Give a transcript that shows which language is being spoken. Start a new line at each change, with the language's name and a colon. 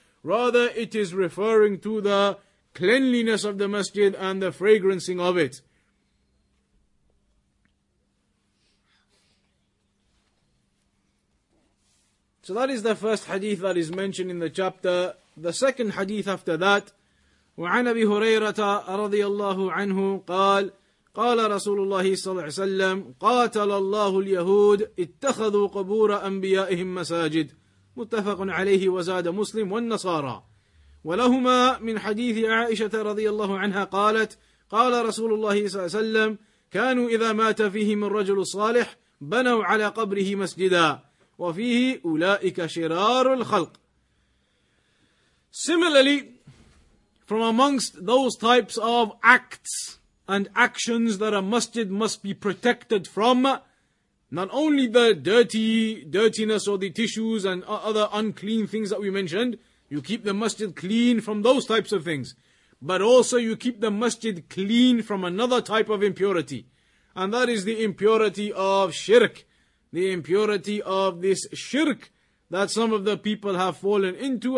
English: Rather, it is referring to the cleanliness of the masjid and the fragrancing of it. So that is the first hadith that is mentioned in the chapter. The second hadith after that,
Arabic: وعن أبي هريرة رضي الله عنه قال قال رسول الله صلى الله عليه وسلم قاتل الله اليهود اتخذوا قبور أنبيائهم مساجد متفق عليه وزاد مسلم والنصارى ولهما من حديث عائشة رضي الله عنها قالت قال رسول الله صلى الله عليه وسلم كانوا إذا مات فيهم الرجل الصالح بنوا على قبره مسجدا وفيه أولئك شرار الخلق.
English: Similarly, from amongst those types of acts and actions that a masjid must be protected from, not only the dirtiness or the tissues and other unclean things that we mentioned, you keep the masjid clean from those types of things, but also you keep the masjid clean from another type of impurity, and that is the impurity of shirk, the impurity of this shirk that some of the people have fallen into.